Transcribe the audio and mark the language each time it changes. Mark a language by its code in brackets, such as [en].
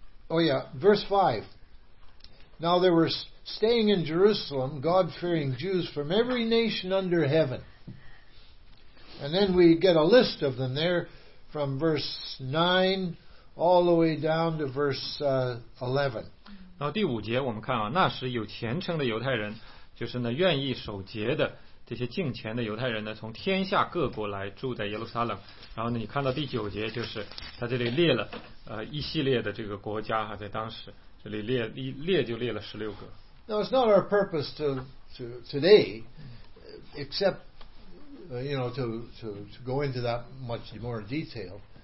[en] Oh, yeah. Verse 5. Now there were. Staying in Jerusalem, God-fearing Jews from every nation under heaven. And then we get a list of them there from verse 9 all the way down to verse 11. [zh] 然后第五节我们看啊，那时有虔诚的犹太人，就是呢愿意守节的这些敬虔的犹太人呢，从天下各国来住在耶路撒冷。然后呢你看到第九节，就是他这里列了一系列的这个国家啊，在当时这里列就列了十六个。 [en] Now it's not our purpose to today, except you know to go into that much more detail.